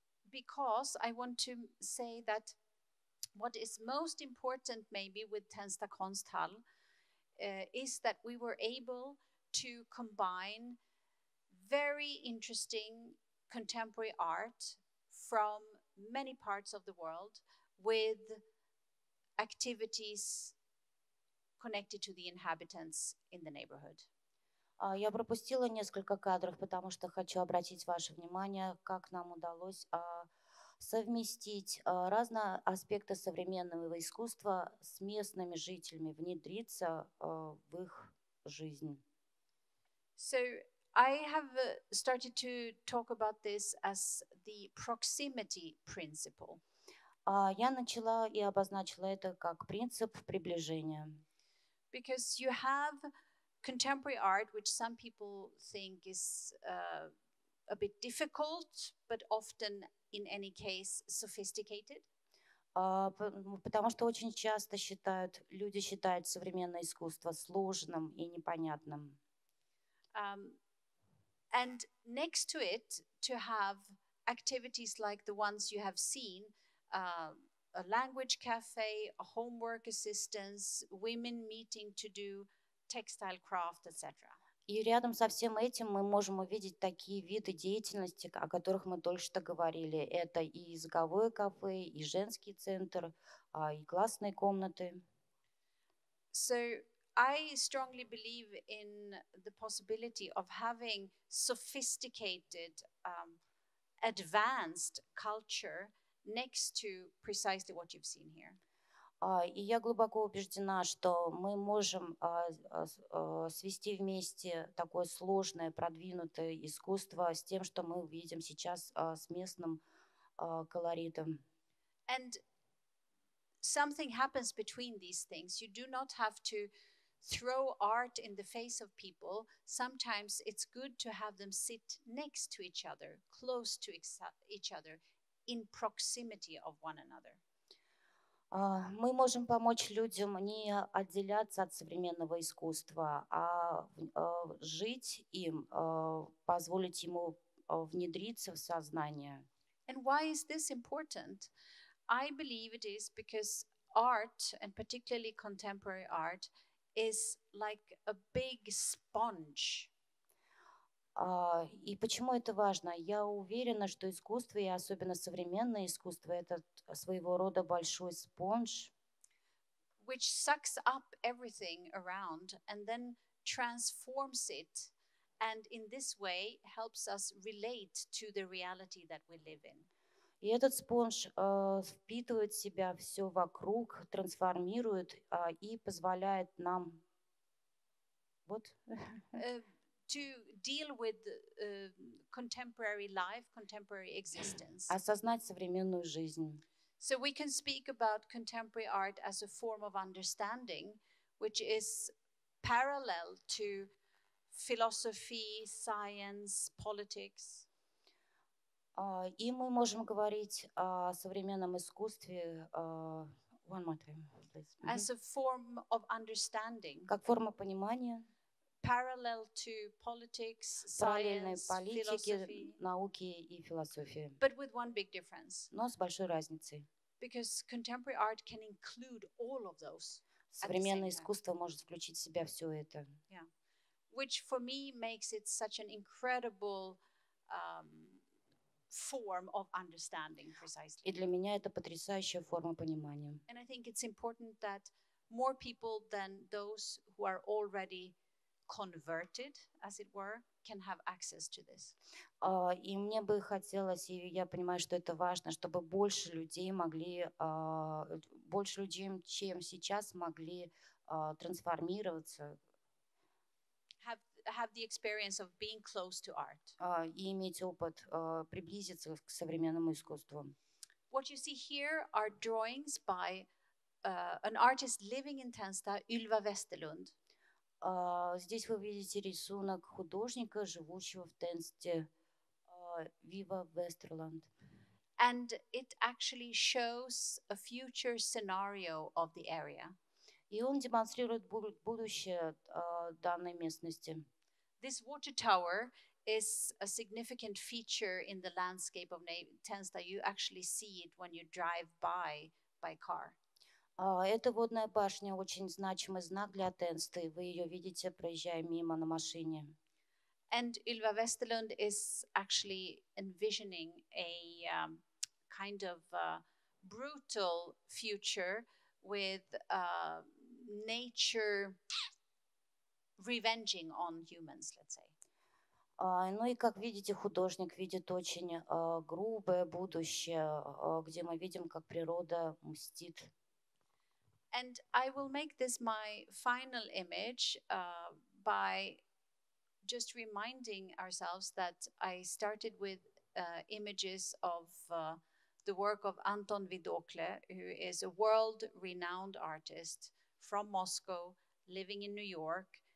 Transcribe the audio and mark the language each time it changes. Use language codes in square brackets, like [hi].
[en] Because I want to say that what is most important maybe with Tensta Kunsthall is that we were able to combine very interesting contemporary art from many parts of the world with activities connected to the inhabitants in the neighborhood. [ru] Я пропустила несколько кадров, потому что хочу обратить ваше внимание, как нам удалось совместить разные аспекты современного искусства с местными жителями, внедриться в их жизнь. [en] So I have started to talk about this as the proximity principle. [ru] Я начала и обозначила это как принцип приближения. [en] Because you have contemporary art, which some people think is a bit difficult, but often in any case, sophisticated. [ru] Потому что очень часто считают, люди считают современное искусство сложным и непонятным. [en] And next to it, to have activities like the ones you have seen, a language cafe, a homework assistance, women meeting to do textile craft, etc. [ru] И рядом со всем этим мы можем увидеть такие виды деятельности, о которых мы только что говорили. Это и языковое кафе, и женский центр, и классные комнаты. [en] So I strongly believe in the possibility of having sophisticated, advanced culture next to precisely what you've seen here. [ru] И я глубоко убеждена, что мы можем свести вместе такое сложное, продвинутое искусство с тем, что мы видим сейчас с местным колоритом. [en] And something happens between these things. You do not have to throw art in the face of people. Sometimes it's good to have them sit next to each other, close to each other, in proximity of one another. [ru] Мы можем помочь людям не отделяться от современного искусства, а жить им, позволить ему внедриться в сознание. [en] And why is this important? I believe it is because art, and particularly contemporary art, is like a big sponge. [ru] И почему это важно? Я уверена, что искусство, и особенно современное искусство, это своего рода большой спонж, [en] which sucks up everything around and then transforms it and in this way helps us relate to the reality that we live in. [ru] И этот спонж впитывает в себя все вокруг, трансформирует и позволяет нам вот [en] to deal with contemporary life, contemporary existence. [ru] Осознать современную жизнь. [en] So we can speak about contemporary art as a form of understanding, which is parallel to philosophy, science, politics. [ru] И мы можем говорить о современном искусстве [en] one more time, please. Mm-hmm. As a form of understanding. [ru] Как форма понимания. [en] Parallel to politics, science, [ru] политике, [en] philosophy. [ru] Науки и философии. [en] But with one big difference. [ru] Но с большой разницей. [en] Because contemporary art can include all of those. [ru] Современное искусство может включить в себя все это. [en] Yeah. Which for me makes it such an incredible form of understanding precisely. [ru] И для меня это потрясающая форма понимания. [en] And I think it's important that more people than those who are already converted, as it were, can have access to this. [ru] И мне бы хотелось, и я понимаю, что это важно, чтобы больше людей могли, больше людей, чем сейчас, могли трансформироваться. [en] Have the experience of being close to art. [ru] И иметь опыт приблизиться к современному искусству. [en] What you see here are drawings by an artist living in Tensta, Ylva Westerlund. [ru] Здесь вы видите рисунок художника, живущего в Тенсте, Вива Вестерланд. [en] And it actually shows a future scenario of the area. [ru] И он демонстрирует будущее данной местности. [en] This water tower is a significant feature in the landscape of Tensta. You actually see it when you drive by car. [ru] Эта водная башня очень значимый знак для Тенсты. Вы ее видите, проезжая мимо на машине. [en] And Ylva Westerlund is actually envisioning a kind of brutal future with nature revenging on humans, let's say. [ru] Ну и как видите, художник видит очень грубое будущее, где мы видим, как природа мстит. [en] And I will make this my final image by just reminding ourselves that I started with images of the work of Anton Vidokle, who is a world-renowned artist from Moscow, living in New York.